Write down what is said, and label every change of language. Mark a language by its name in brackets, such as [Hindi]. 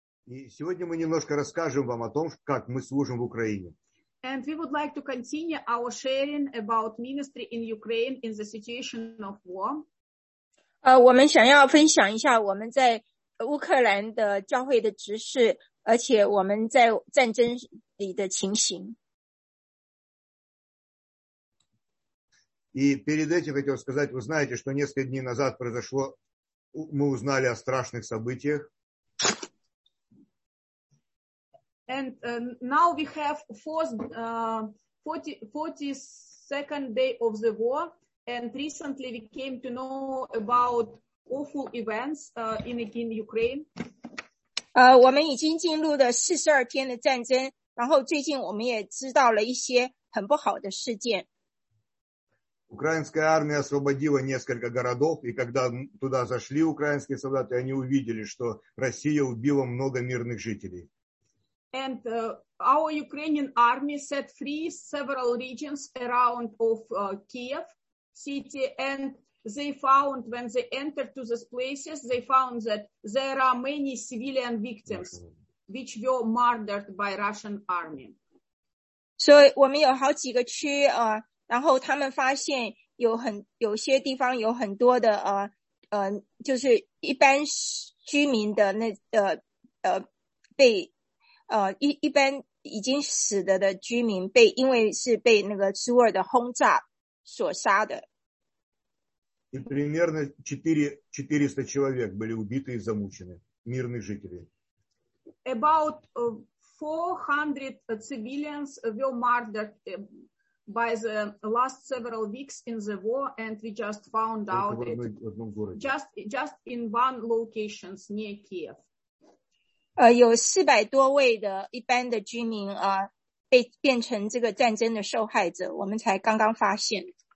[Russian] И сегодня мы немножко расскажем вам о том, как мы служим в Украине. [English] And we would like to continue our sharing about ministry in Ukraine in the situation of war. [Chinese] 我们想要分享一下我们在乌克兰的教会的执事，而且我们在战争里的情形。 [Russian] И перед этим хотел сказать, вы знаете, что несколько дней назад произошло, мы узнали о страшных событиях. [English] And now we have forty-second day of the war, and recently we came to know about awful events in Ukraine. [Chinese] 我们已经进入了42天的战争，然后最近我们也知道了一些很不好的事件。 [Russian] Украинская армия освободила несколько городов, и когда туда зашли украинские солдаты, они увидели, что Россия убила много мирных жителей. [English] And our Ukrainian army set free several regions around of Kiev city, and they found when they entered to these places, they found that there are many civilian victims which were murdered by Russian army. [Chinese] So, 我们有好几个区啊，然后他们发现有些地方有很多的就是一般居民的那被。一般已经死的居民被因为是被那个苏俄的轰炸所杀的。 [Russian] И примерно 400 человек были убиты и замучены, мирных жителей. [English] About 400 civilians were murdered by the last several weeks in the war, and we just found out just in one location near Kiev. [Chinese] 有400多位的一般的居民被变成这个战争的受害者，我们才刚刚发现。